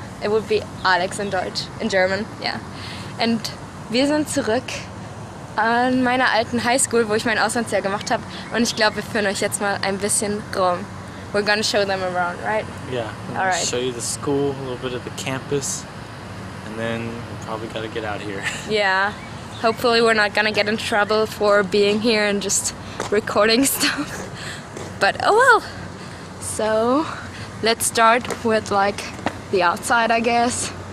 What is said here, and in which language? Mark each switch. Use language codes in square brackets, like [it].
[en] It would be Alex [de] in Deutsch, [en] in German, yeah. [de] Und wir sind zurück an meiner alten Highschool, wo ich mein Auslandsjahr gemacht habe. Und ich glaube, wir führen euch jetzt mal ein bisschen rum. [en] We're gonna show them around, right? Yeah, we're gonna show you the school, a little bit of the campus, and then we're probably gotta get out of here. Yeah, hopefully we're not gonna get in trouble for being here and just recording stuff. But oh well! So, let's start with like the outside, I guess.